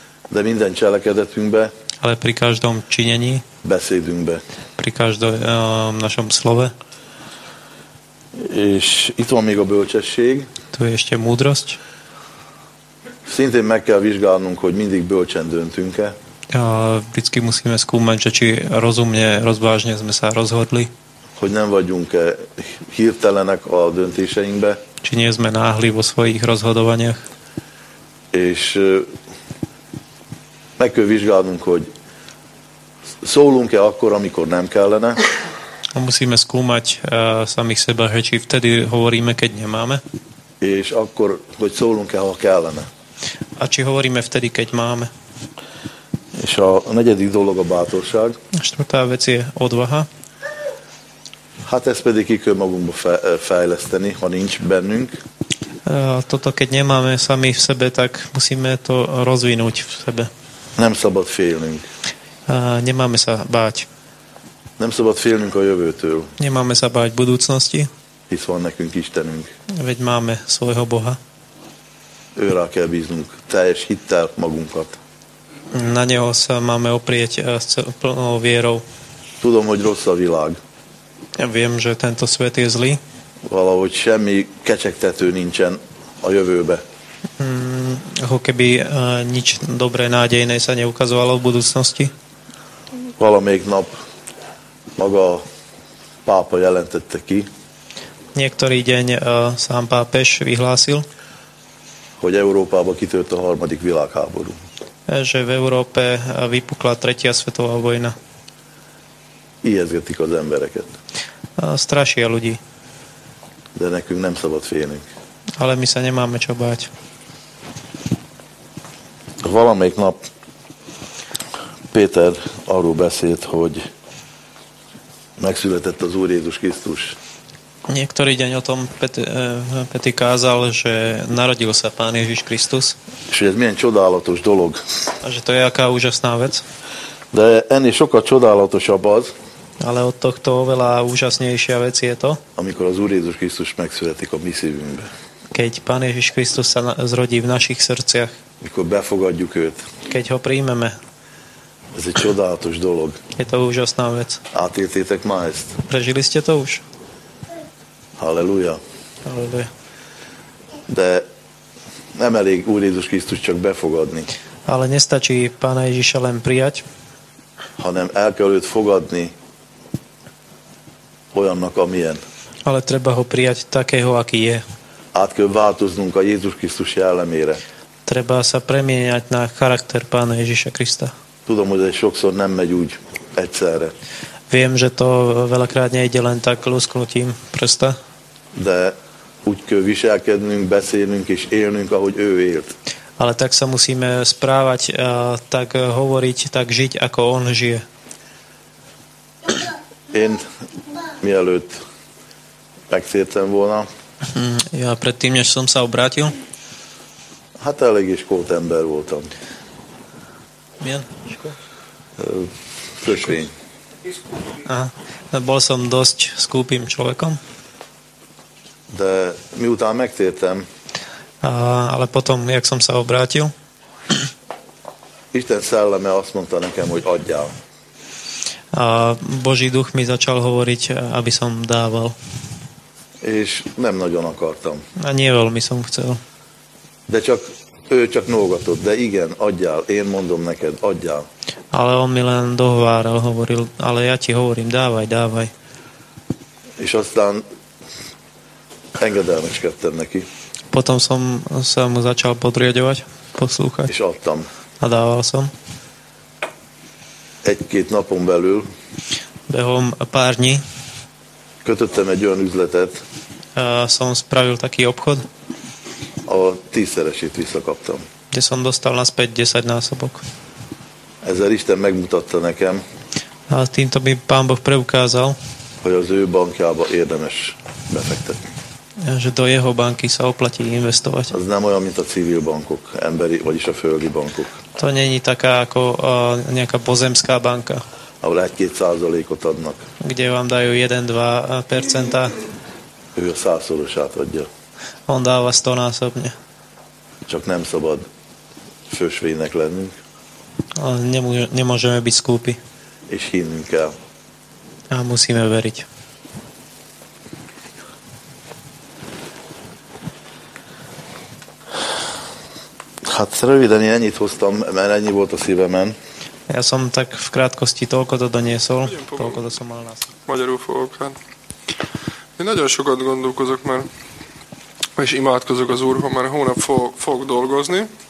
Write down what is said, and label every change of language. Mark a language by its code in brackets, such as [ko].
[hu] De minden cselekedetünkbe. [sk] Ale pri každom činení. [hu] Beszédünkbe. [sk] Pri každom našom slove. [hu] És itt van még a bölcsesség. [sk] Tu je ešte múdrosť. [hu] Szintén meg kell vizsgálnunk, hogy mindig bölcsen döntünk-e. [sk] Vždycky musíme skúmať, že či rozumne, rozvážne sme sa rozhodli. [hu] Hogy nem vagyunk-e hirtelenek a döntéseinkbe. [sk] Či nie sme náhli vo svojich rozhodovaniach. [hu] És meg kell vizsgálnunk, hogy szólunk-e akkor, amikor nem kellene. [sk] A musíme skúmať samých seba, že či vtedy hovoríme, keď nemáme. [hu] És akkor, hogy szólunk-e, ha kellene. [sk] A či hovoríme vtedy, keď máme. [hu] És a negyedik dolog a bátorság. [sk] A štvrtá vec je odvaha. [hu] Hát ezt pedig ki kell magunkba fejleszteni, ha nincs bennünk. [sk] Toto, keď nemáme sami v sebe, tak musíme to rozvinúť v sebe. [hu] Nem szabad félnünk. [sk] Nemáme sa báť. [hu] Nem szabad félnünk a jövőtől. [sk] Nemáme sa báť budúcnosti. [hu] Hisz van nekünk Istenünk. [sk] Veď máme svojho Boha. [hu] Őrá kell bíznunk, teljes hittel magunkat. [sk] Na neho sa máme oprieť s plnou vierou. [hu] Tudom, hogy rossz a világ. [sk] Ja viem, že tento svet je zlý. [hu] Valahogy semmi kecsegtető nincsen a jövőbe. [sk] Ako keby nič dobré nádejné sa neukazovalo v budúcnosti. [hu] Valamelyik nap maga pápa jelentette ki. [sk] Niektorý deň sám pápež vyhlásil. [hu] Hogy Európába kitört a harmadik világháború. [sk] Že v Európe vypukla tretia svetová vojna. [hu] Ijesztik az embereket. [sk] Strašia ľudí. [hu] De nekünk nem szabad félnünk. [sk] Ale my sa nemáme čo báť. [hu] Valamelyik nap Péter arról beszélt, hogy megszületett az Úr Jézus Krisztus. [sk] Niektorý deň o tom Peti kázal, že narodil sa Pán Ježiš Kristus. [hu] És ez milyen csodálatos dolog. [sk] A že to je aká úžasná vec. [hu] De ennél sokkal csodálatosabb az. [sk] Ale od tohto oveľa úžasnejšia vec je to. [hu] Amikor az Úr Jézus Krisztus megszületik a mi szívünkbe. [sk] Keď Pán Ježiš Kristus sa zrodí v našich srdciach. [hu] Amikor befogadjuk őt. [sk] Keď ho príjmeme. [hu] Ez egy csodálatos dolog. [sk] Je to úžasná vec. [hu] Átéltétek ma ezt. [sk] Prežili ste to už? [hu] Halleluja. [sk] Halleluja. [hu] De nem elég Úr Jézus Krisztus csak befogadni. [sk] Ale nestačí Pána Ježiša len prijať. [hu] Hanem el kell őt fogadni olyannak, amilyen. [sk] Ale treba ho prijať takého, aký je. [hu] Át kell változnunk a Jézus Krisztus jellemére. [sk] Treba sa premieniať na charakter Pána Ježiša Krista. [hu] Tudom, hogy ez sokszor nem megy úgy egyszerre. [sk] Viem, že to veľakrát nejde len tak lusknutím prsta. [hu] De úgy kell viselkednünk, beszélnünk és élnünk, ahogy ő élt. [sk] Ale tak sa musíme správať, tak hovoriť, tak žiť, ako on žije. [hu] Én mielőtt megszértem volna. [sk] Ja predtým, než som sa obrátil. [hu] Hát elég is kót ember voltam. Milyen? Fösvény. [sk] Aha, bol som dosť skúpým človekom. [hu] De miután megtértem. [sk] Ale potom, jak som sa obrátil. [hu] Isten szelleme azt mondta nekem, hogy adjál. [sk] A Boží duch mi začal hovoriť, aby som dával. [hu] És nem nagyon akartam. [sk] A nie veľmi som chcel. [hu] De csak, ő csak nógatott, de igen, adjál, én mondom neked, adjál. [sk] Ale on mi len dohováral, hovoril, ale ja ti hovorím, dávaj, dávaj. [hu] És aztán engedelmeskedtem neki. [sk] Potom som sa mu začal podriadovať, poslúchať. [hu] És adtam. [sk] A dával som. [hu] Egy-két napon belül [sk] behom pár dní [hu] kötöttem egy olyan üzletet, [sk] som spravil taký obchod, [hu] a 10-szeresét visszakaptam. [sk] De som dostal naspäť 10 násobok. [hu] Ezzel Isten megmutatta nekem, [sk] a týmto mi Pán Boh preukázal, [hu] hogy az ő bankjába érdemes befektetni. [sk] Že do jeho banky sa oplatí investovať. [hu] Az nem olyan, mint a civil bankok, emberi, vagyis a földi bankok. [sk] To není taká ako nejaká pozemská banka. [hu] Ahol 1-2% adnak. [sk] Kde vám dajú 1-2%. [hu] Ő a százszorosát adja. [sk] On dáva 100-násobne. [hu] Csak nem szabad fősvénynek lennünk. [sk] Nemôžeme byť skúpi. [hu] És hinnünk kell. [sk] A musíme veriť. [hu] Ha Hát röviden én ennyit hoztam, mert ennyi volt a szívemen. [sk] Ja som tak v krátkosti toľko to doniesol, toľko to som mal nás. [hu] Magyarul fogok, hát. Én nagyon sokat gondolkozok, mert és imádkozok az Úrhoz, mert hónap fogok dolgozni.